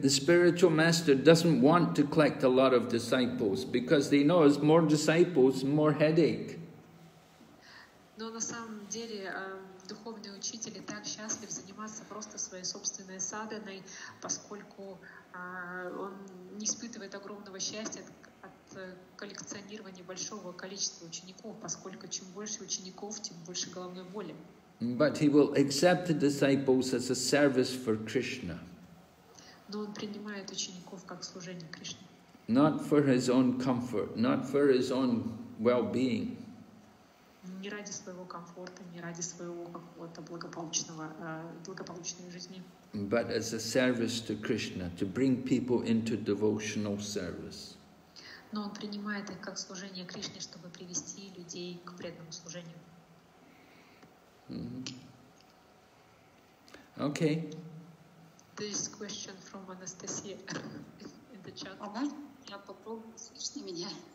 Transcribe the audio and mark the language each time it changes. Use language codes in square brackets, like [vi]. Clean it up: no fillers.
[en] The spiritual master doesn't want to collect a lot of disciples because they know it's more disciples, more headache. [ru] Но на самом деле духовный учитель и так счастлив заниматься просто своей собственной садханой, поскольку он не испытывает огромного счастья от коллекционирования большого количества учеников, поскольку чем больше учеников, тем больше головной боли. [en] But he will accept the disciples as a service for Krishna. [ru] Но он принимает учеников как служение Кришне. [en] Not for his own comfort, not for his own well-being. [ru] Не ради своего комфорта, не ради своего какого-то благополучной жизни. [en] But as a service to Krishna, to bring people into devotional service. [ru] Но он принимает их как служение Кришне, чтобы привести людей к преданному служению. [en] Mm-hmm. Okay. This question from Anastasia in the chat. [ru] Ага. Я попробую. Слышно меня?